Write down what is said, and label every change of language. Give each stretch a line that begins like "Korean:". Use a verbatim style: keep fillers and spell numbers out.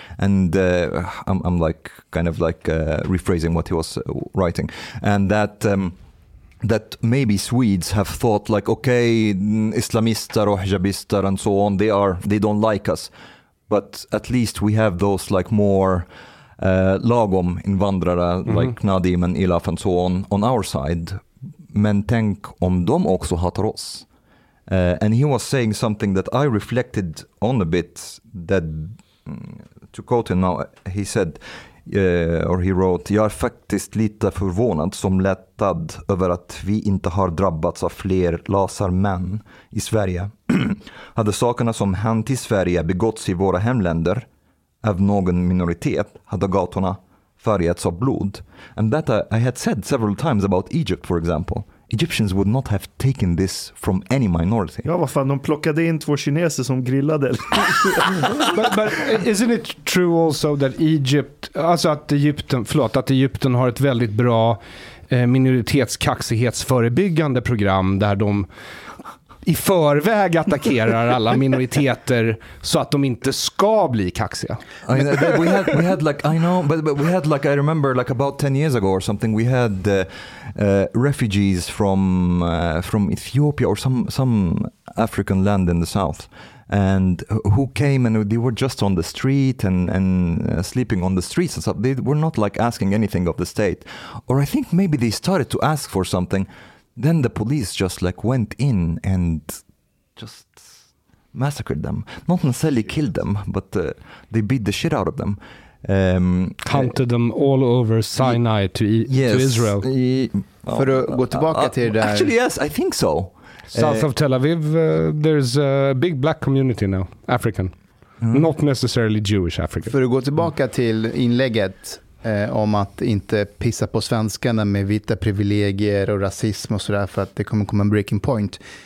English: And uh, I'm, I'm like, kind of like uh, rephrasing what he was uh, writing, and that um, that maybe Swedes have thought like, okay, Islamister or hijabister and so on, they are they don't like us, but at least we have those like more uh,
Swedish: lagom invandrare,
English: mm-hmm. like Nadim and Ilham and so on on our side.
Swedish: Men tänk om de också hatar oss.
English: Uh, and he was saying something that I reflected on a bit, that, to quote him now, he said, uh, or he wrote,
Swedish: "Jag är faktiskt lite förvånad som lättad över att vi inte har drabbats av fler lasarmän i Sverige. Hade sakerna som hänt i Sverige begåtts i våra hemländer av någon minoritet hade gatorna färgats av blod.
English: And that I, I had said several times about Egypt, for example. Egyptians would not have taken this from any minority."
Swedish: Ja, vad fan, de plockade in två kineser som grillade.
English: but, but isn't it true also that Egypt,
Swedish: alltså att Egypten, förlåt, att Egypten har ett väldigt bra eh, minoritetskaxighetsförebyggande program där de i förväg attackerar alla minoriteter så att de inte ska bli kaxiga.
English: I, we had we had like I know but, but we had like I remember like about ten years ago or something we had uh, uh, refugees from uh, from Ethiopia or some some African land in the south. and who came and they were just on the street and, and uh, sleeping on the streets and stuff. They were not like asking anything of the state. Or I think maybe they started to ask for something. Then the police just like went in and just massacred them. Not necessarily killed them, but uh, they beat the shit out of them. Um, Hunted uh, them all over Sinai to, e- yes, to Israel. E-
Swedish: oh, För att gå tillbaka uh, uh, till det där.
English: Actually yes, I think so. South uh, of Tel Aviv, uh, there's a big black community now, African. Mm. Not necessarily Jewish African.
Swedish: För att gå tillbaka till inlägget eh, om att inte pissa på svenskarna med vita privilegier och rasism och sådär, för att det kommer komma en breaking point.